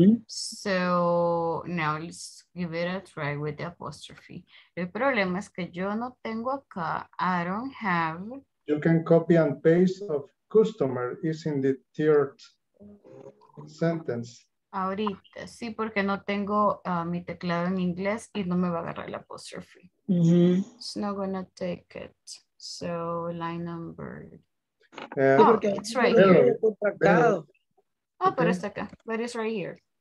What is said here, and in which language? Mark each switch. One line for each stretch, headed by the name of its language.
English: So now let's give it a try with the apostrophe.
Spanish: El problema es que yo no tengo acá.
English: I don't have. You can copy and paste of customer is in the third sentence.
Spanish: Ahorita, sí, porque no tengo mi teclado en inglés y no me va a agarrar el apostrophe.
English: It's not gonna take it. So line number. It's right here.
Spanish: Pero está acá.
English: But it's right here.